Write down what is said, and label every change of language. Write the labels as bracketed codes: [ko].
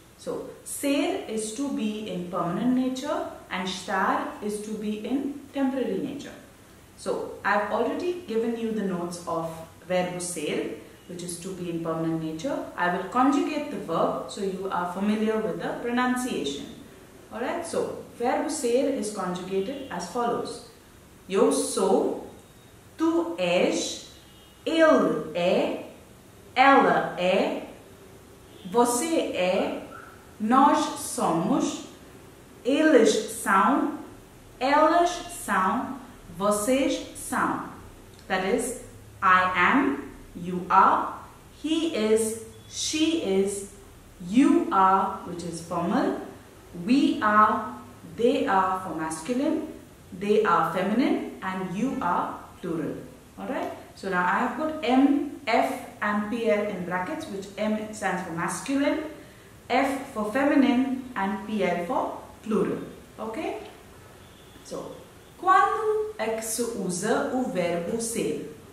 [en] So, ser is to be in permanent nature and estar is to be in temporary nature. So, I've already given you the notes of verbo ser, which is to be in permanent nature. I will conjugate the verb so you are familiar with the pronunciation. Alright, so verbo ser is conjugated as follows. [pt] Eu sou, tu és, ele é, ela é, você é, nós somos, eles são, elas são, vocês são. [en] That is, I am, you are, he is, she is, you are, which is formal, we are, for masculine, they are feminine, and you are plural. Alright, so now I have put M, F, and PL in brackets, which M stands for masculine, F for feminine, and PL for plural. Okay, so [pt] quando é que se usa o verbo ser?